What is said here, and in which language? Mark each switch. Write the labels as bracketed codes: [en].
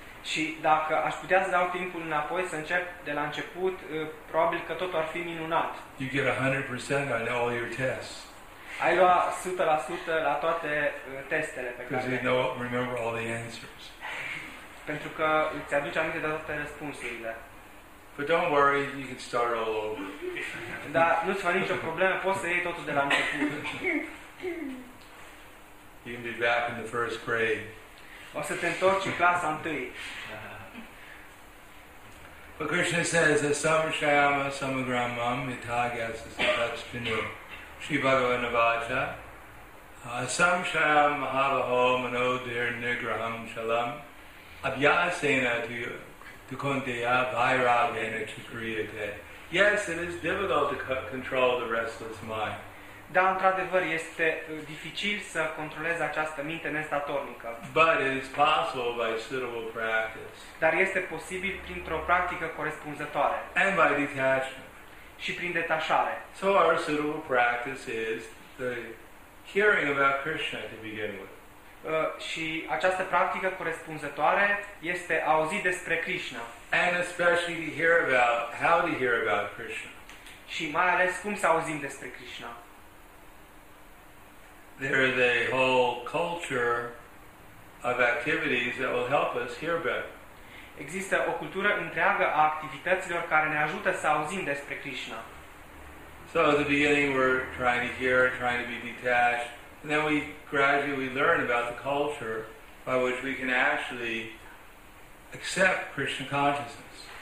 [ro] Și dacă aș putea să dau timpul înapoi, să încep de la început, probabil că totul ar fi minunat. [en] You get 100% on all your tests. [ro] Ai lua 100% la toate testele pe care. [en] Because you know, remember all the answers. [ro] Pentru că îți aduci aminte de toate răspunsurile. [en] But don't worry, you can start all over. [ro] Da, nu ți-va nicio problemă, poți să iei totul de la început. [en] You can be back in the first grade. [ro] O să te întorci în clasa întâi. [en] But Krishna says that [sa] some shayama samagramam itagyasas adachpinu Shri Bhagavan Navaja some shayam mahabaho mano dir nigraham shalam abhyasena tukondeya vairagena chikriyate. [en] Yes, it is difficult to control the restless mind. [ro] Da, într-adevăr, este dificil să controlezi această minte nestatornică. [en] But it is possible by suitable practice. [ro] Dar este posibil printr-o practică corespunzătoare. [en] And by detachment. [ro] Și prin detașare. [en] So our suitable practice is the hearing about Krishna to begin with. [ro] Și această practică corespunzătoare este auzit despre Krishna. [en] And especially to hear about how to hear about Krishna. [ro] Și mai ales cum să auzim despre Krishna. [en] There is a whole culture of activities that will help us hear better. [ro] Există o cultură întreagă a activităților care ne ajută să auzim despre Krishna. [en] So at the beginning we're trying to hear, trying to be detached, and then we gradually learn about the culture by which we can actually accept Krishna consciousness.